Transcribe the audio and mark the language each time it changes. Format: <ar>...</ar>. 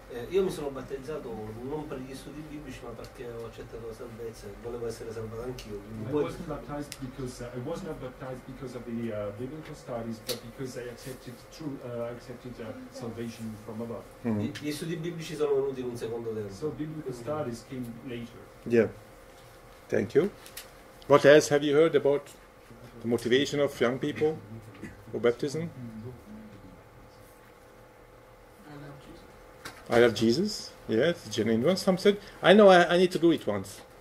<it>Io mi sono battezzato non per gli studi biblici ma perché ho accettato la salvezza e volevo essere salvato anch'io.</it> <en>I wasn't baptized because of the biblical studies, but because I accepted salvation from above.</en> <it>Gli studi biblici sono venuti in un secondo tempo.</it> <en>So biblical studies came later. Yeah. Thank you. What else have you heard about the motivation of young people for baptism? I love Jesus. Yeah, it's a genuine one. Some said, I know I need to do it once.</en>